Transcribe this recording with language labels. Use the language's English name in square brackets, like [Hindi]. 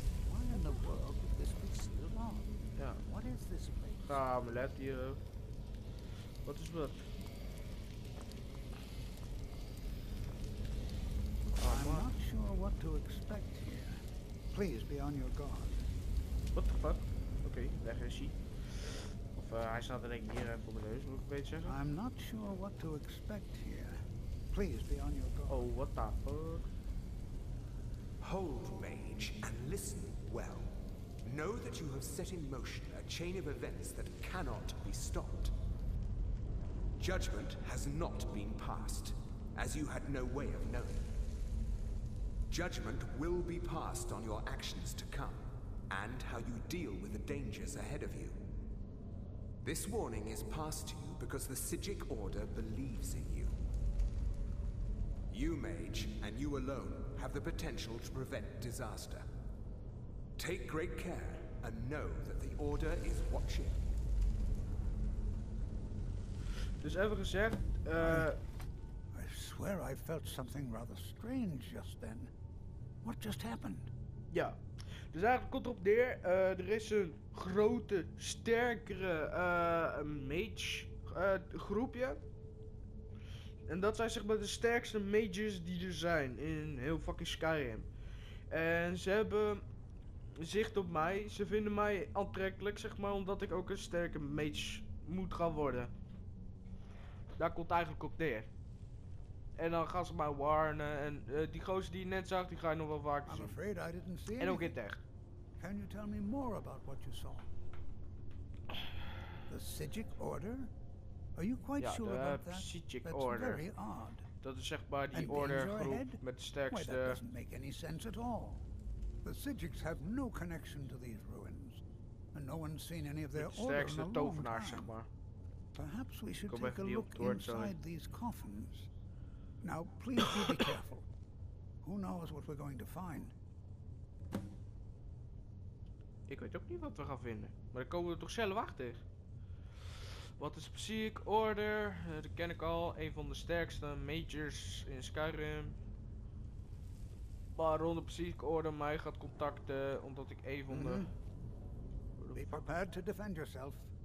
[English] Why in the world would this be still on? [Dutch] Ja. [English] What is this place? [Dutch] Ga, mijn let hier. Wat is wat? [English] I'm not sure what to expect here. Please be on your guard. What the fuck? [Dutch] Okay, weg is hij. Of hij staat er denk ik hier voor mijn neus, moet ik een beetje zeggen. [English] I'm not sure what to expect here. Please be on your guard. Oh, what the fuck? Hold, mage, and listen well. Know that you have set in motion a chain of events that cannot be stopped. Judgment has not been passed, as you had no way of knowing. Judgment will be passed on your actions to come, and how you deal with the dangers ahead of you. This warning is passed to you because the Psijic Order believes in you. You, mage, and you alone, have the potential to prevent disaster. Take great care, and know that the Order is watching. [Dutch] Dus even gezegd, [English] I swear I felt something rather strange just then. What just happened? [Dutch] Ja, dus eigenlijk komt erop neer. Er is een grote, sterkere mage groepje. En dat zijn zeg maar de sterkste mages die er zijn in heel fucking Skyrim. En ze hebben zicht op mij. Ze vinden mij aantrekkelijk, zeg maar, omdat ik ook een sterke mage moet gaan worden. Daar komt eigenlijk op neer. En dan gaan ze mij warnen en die gozer die je net zag, die ga je nog wel vaker zien. [English] I'm afraid I didn't see [Dutch] anything. En ook in tech. [English] Can you tell me more about what you saw? The Psijic Order? Are you quite sure about that? [Dutch] Ja, de Psijic Order. [English] That's very odd. [Dutch] Dat is zeg maar die order groep met de sterkste... [English] Why, that doesn't make any sense at all. The Psijics have no connection to these ruins. And no one's seen any of their order in a long time. [Dutch] Tovenaar, zeg maar. [English] Perhaps we should take a look inside these coffins. Now, please do be careful. Who knows what we're going to find? [Dutch] Ik weet ook niet wat we gaan vinden. Maar daar komen we toch zelf achter. Wat is Psijic Order? Dat ken ik al. Een van de sterkste mages in Skyrim. Waarom de Psijic Order mij gaat contacten, omdat ik een van de... [English] Be prepared to defend yourself.